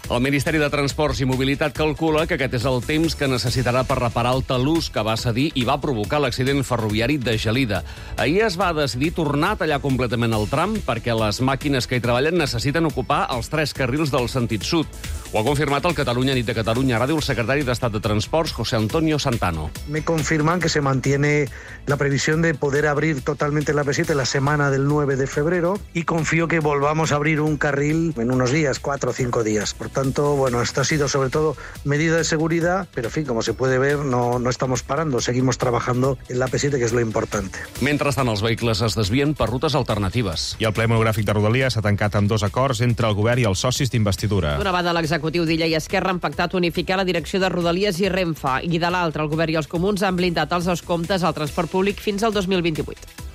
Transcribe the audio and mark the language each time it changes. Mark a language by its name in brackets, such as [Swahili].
[Catalan] El Ministeri de Transports i Mobilitat calcula que aquest és el temps que necessitarà per reparar el talús que va cedir i va provocar l'accident ferroviari de Gelida. Ahir es va decidir tornar a tallar completament el tram perquè les màquines que hi treballen necessiten ocupar els 3 carrils del sentit sud. Ho ha confirmat el Catalunya Nit de Catalunya Ràdio el secretari d'Estat de Transports, José Antonio Santano. [Spanish] Me confirman que se mantiene la previsión de poder abrir totalmente la P7 la semana del 9 de febrero y confío que volvamos a abrir un carril en unos días, 4 o 5 días. Por tanto, bueno, esto ha sido sobre todo medida de seguridad, pero en fin, como se puede ver, no estamos parando, seguimos trabajando en la P7, que es lo importante. [Catalan] Mentrestant, els vehicles es desvien per rutes alternatives. I el ple monogràfic de Rodalies s'ha tancat amb 2 acords entre el govern i els socis d'investidura. D'una banda, l'executiu d'Illa i Esquerra han pactat unificar la direcció de Rodalies i Renfe, i de l'altra, el govern i els comuns han blindat els seus comptes al transport públic fins al 2028.